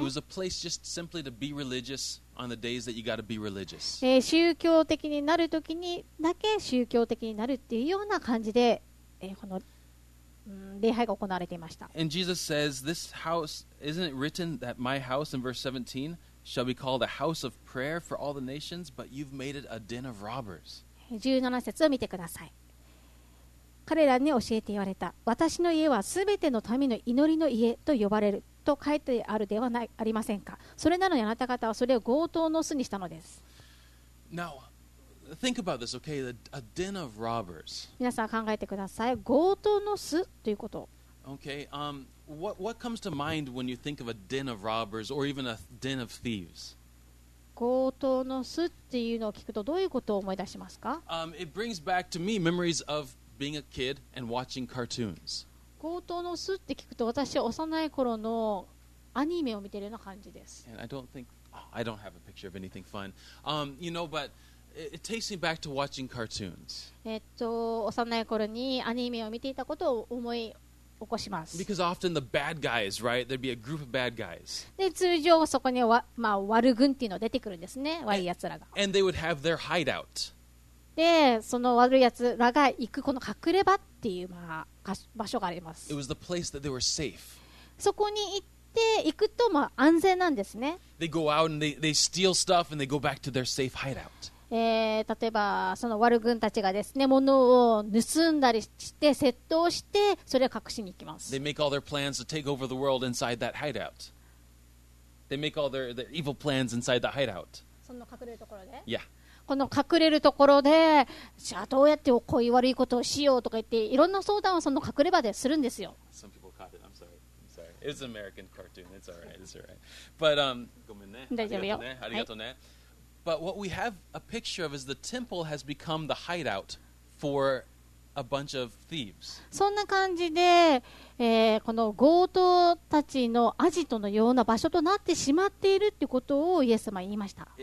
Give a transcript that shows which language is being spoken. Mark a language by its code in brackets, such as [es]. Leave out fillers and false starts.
[en] It was a place just simply to be religious on the days that you got to be religious. [ja] 宗教的になる時にだけ宗教的になるっていうような感じで、この、礼拝が行われていました。 [en] And Jesus says, "This house isn't it written that my house in verse 17 shall be called a house of prayer for all the nations, but you've made it a den of robbers." [ja] 17節を見てください。彼らに教えて言われた。私の家はすべての民の祈りの家と呼ばれると書いてあるではないありませんか。それなのにあなた方はそれを強盗の巣にしたのです。 [en] Now, think about this, okay? A den of robbers. [ja] 皆さん考えてください。強盗の巣ということ。 Okay. [en] What comes to mind when you think of a den of robbers or even a den of thieves? [ja] 強盗の巣っていうのを聞くとどういうことを思い出しますか。 [en] It brings back to me memories of being a kid and watching cartoons. [ja] 強盗の巣って聞くと私は幼い頃のアニメを見てるような感じです。 [en] And I don't think I don't have a picture of anything fun. You know, but it takes me back to watching cartoons. [ja] 幼い頃にアニメを見ていたことを思い起こします。 [en] Because often the bad guys, right? There'd be a group of bad guys. [ja] で、通常そこにまあ悪軍っていうのが出てくるんですね、悪い奴らが。 [en] And they would have their hideout. [ja] でその悪い奴らが行くこの隠れ場っていう、まあ、場所があります。 [en] It was the place that they were safe. [ja] そこに行って行くとまあ安全なんですね。 [en] They go out and they steal stuff and they go back to their safe hideout. [ja] 例えばその悪軍たちがですね物を盗んだりして窃盗してそれを隠しに行きます。 [en] They make all their plans to take over the world inside that hideout. They make all their evil plans inside that hideout. [ja] その隠れるところで、 yeah. この隠れるところでじゃあどうやってこういう悪いことをしようとか言っていろんな相談をその隠れ場でするんですよ。 [en] Some people caught it. I'm sorry. I'm sorry. It's an American cartoon. It's all right. It's all right. [ja] But, ごめんね。大丈夫よ。ありがとうね。はい。 [en] But what we have a picture of is the temple has become the hideout for a bunch of thieves. [ja] そんな感じで、この強盗たちのアジトのような場所となってしまっているってことをイエス様は言いました。